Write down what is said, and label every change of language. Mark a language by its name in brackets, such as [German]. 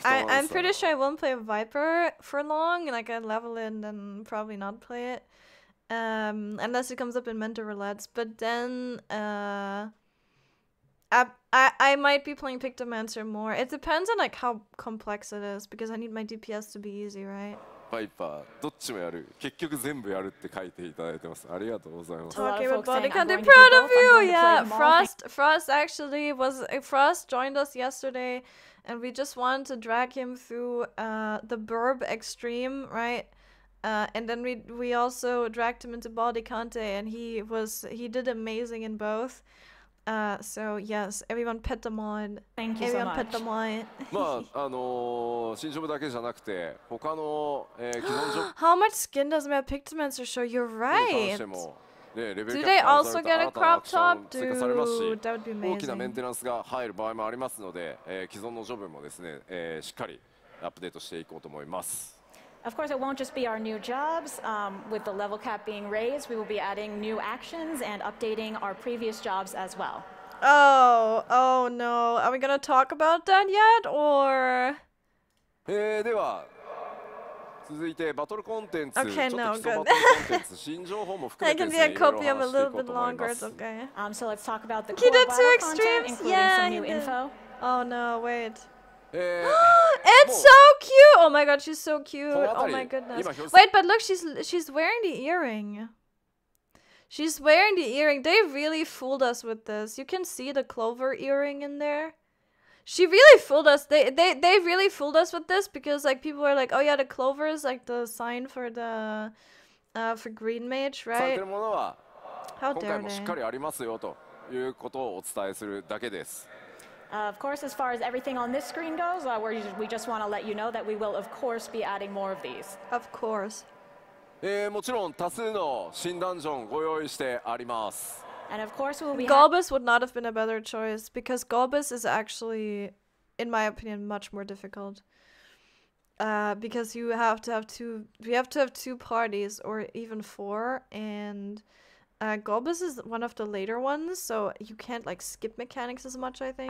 [English] I'm pretty sure I won't play Viper for long. Like, I level it and then probably not play it. Unless it comes up in Mentor Roulettes. But then I might be playing Pictomancer more. It depends on like how complex it is because I need my DPS to be easy, right? [Japanese] Viper, どっちもやる。結局全部やるって書いていただいてます。ありがとうございます。 [English] Talking with Bodycon, they're proud of you. Yeah, Frost actually was. Frost joined us yesterday, and we just wanted to drag him through the Burb Extreme, right? And then we also dragged him into Bodycante, and he did amazing in both. So yes, everyone pet them on. Thank you so much. Everyone pet them on. [Japanese] まあ新ジョブだけじゃなくて他の既存ジョブ。 [English] How much skin does my Pictomancer show? You're right. Do they also get a crop top? Dude, that would be amazing. [Japanese] 大きなメンテナンスが入る場合もありますので、既存のジョブもですね、しっかりアップデートしていこうと思います。 [English] Of course, it won't just be our new jobs. With the level cap being raised, we will be adding new actions and updating our previous jobs as well. Oh no. Are we going to talk about that yet, or? [Japanese] では、続いてバトルコンテンツ。 [English] Okay, no, good. [Japanese] 新情報も含めて、いろいろ話していこうと思います。 [English] I can be a copy of a little bit longer, it's okay. So let's talk about the core battle content, including some new info. Oh no, wait. It's so cute! Oh my god, she's so cute! Oh my goodness! Wait, but look, she's wearing the earring. She's wearing the earring. They really fooled us with this. You can see the clover earring in there. She really fooled us. They really fooled us with this because like people were like, oh yeah, the clover is like the sign for the for green mage, right? How dare they? [Japanese] ということをお伝えするだけです。 [English] Of course, as far as everything on this screen goes, we just want to let you know that we will, of course, be adding more of these. Of course. [Japanese] もちろん多数の新ダンジョンご用意してあります。 [English] And of course, we'll be. Golbus would not have been a better choice because Golbus is actually, in my opinion, much more difficult. Because you have to have two, we have to have two parties or even four, and. Golbus is one of the later ones, so you can't like skip mechanics as much, I think.